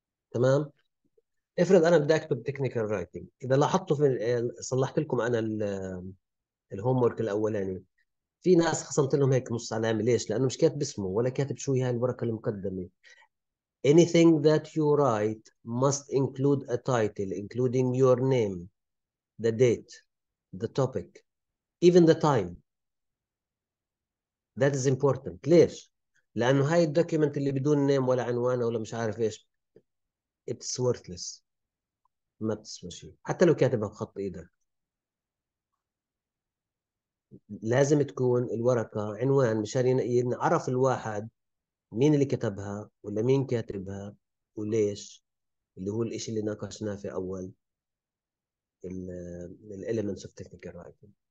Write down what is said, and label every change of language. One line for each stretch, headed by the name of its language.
Arabic: تمام، افرض انا بدي اكتب تكنيكال رايتنج، اذا لاحظتوا في صلحت لكم انا الهوم ورك الاولاني، في ناس خصمت لهم هيك نص علامه. ليش؟ لانه مش كاتب اسمه ولا كاتب شو هي هاي الورقه المقدمه.
English: Anything that you write must include a title including your name, the date, the topic, even the time. That is important.
Arabic: ليش؟ لانه هاي الدوكيمنت اللي بدون نيم ولا عنوان ولا مش عارف ايش
English: It's worthless.
Arabic: ما بتسوى شيء، حتى لو كاتبها بخط ايدك. لازم تكون الورقة عنوان مشان ينعرف الواحد مين اللي كتبها ولا مين كاتبها وليش، اللي هو الإشي اللي ناقشناه في أول الـ elements of technical writing.